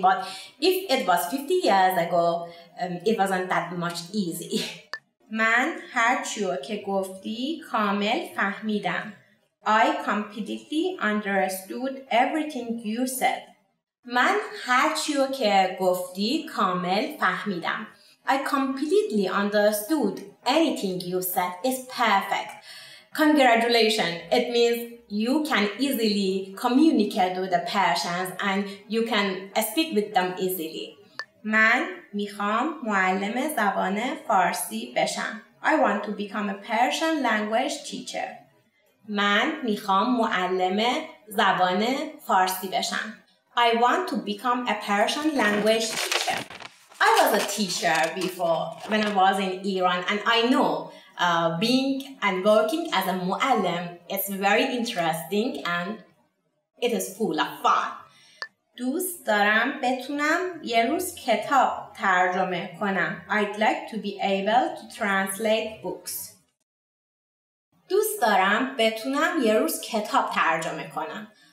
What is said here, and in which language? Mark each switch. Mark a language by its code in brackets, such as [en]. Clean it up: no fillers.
[en] But if it was 50 years ago, it wasn't that much easy. [fa] من هر چیو که گفتی کامل فهمیدم. [en] I completely understood everything you said. [fa] من هر چیو که گفتی کامل فهمیدم. [en] I completely understood anything you said. It's perfect. Congratulations. It means you can easily communicate with the Persians and you can speak with them easily. [fa] من میخوام معلم زبان فارسی بشم. [en] I want to become a Persian language teacher. [fa] من میخوام معلم زبان فارسی بشم. [en] I want to become a Persian language teacher. I was a teacher before when I was in Iran, and I know being and working as a muallim is very interesting and it is full of fun. [fa] دوست دارم بتونم یه روز کتاب ترجمه کنم. [en] I'd like to be able to translate books. [fa] دوست دارم بتونم یه روز کتاب ترجمه کنم.